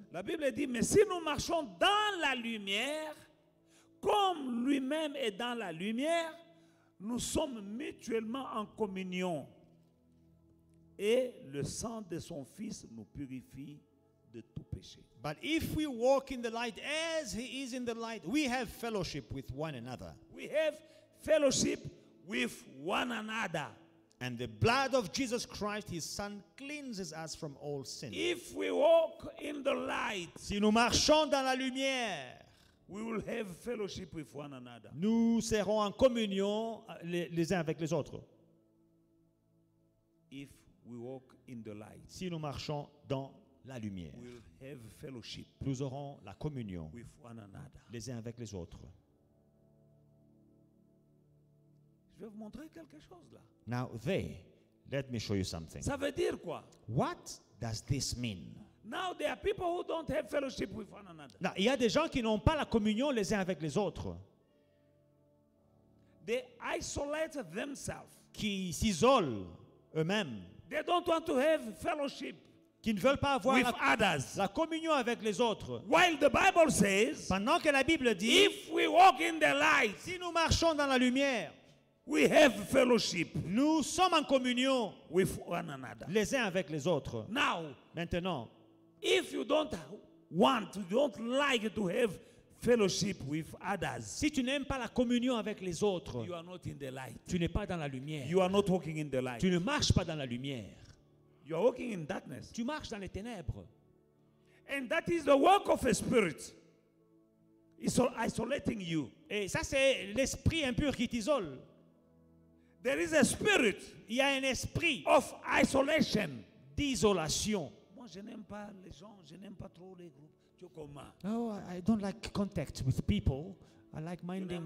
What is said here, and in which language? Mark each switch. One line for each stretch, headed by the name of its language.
French: La Bible dit, mais si nous marchons dans la lumière, comme lui-même est dans la lumière, nous sommes mutuellement en communion. Et le sang de son Fils nous purifie de tout péché.
English: But if we walk in the light as he is in the light, we have fellowship with one another. We have fellowship with one another. And the blood of Jesus Christ, his Son, cleanses us from all sin. If we walk in the light,
French: si nous marchons dans la lumière,
English: we will have fellowship with one another.
French: Nous serons en communion les uns avec les autres.
English: If we walk in the light,
French: si nous marchons dans la lumière,
English: we will have fellowship.
French: Nous aurons la communion
English: with one another.
French: Les uns avec les autres. Je vais vous montrer quelque chose là.
English: Now there, let me show you something.
French: Ça veut dire quoi?
English: What does this mean? Now there are people who don't have fellowship with one another.
French: Il y a des gens qui n'ont pas la communion les uns avec les autres.
English: They isolate themselves.
French: Qui s'isolent eux-mêmes.
English: They don't want to have fellowship.
French: qui ne veulent pas avoir la communion avec les autres.
English: While the Bible says,
French: pendant que la Bible dit,
English: if we walk in the light,
French: si nous marchons dans la lumière,
English: we have fellowship,
French: nous sommes en communion
English: with one another,
French: les uns avec les autres.
English: Now,
French: maintenant,
English: if you don't want, you don't like to have fellowship with others,
French: si tu n'aimes pas la communion avec les autres,
English: you are not in the light,
French: tu n'es pas dans la lumière.
English: You are not walking in the light,
French: tu ne marches pas dans la lumière.
English: You are walking in darkness.
French: Tu marches dans les ténèbres.
English: And that is the work of a spirit. It's isolating you.
French: Et ça c'est l'esprit impur qui t'isole.
English: There is a spirit.
French: Il y a un esprit
English: of isolation.
French: D'isolation. Moi je n'aime pas les gens, je n'aime pas trop les groupes. Tu comment?
English: Oh, I don't like contact with people. I like minding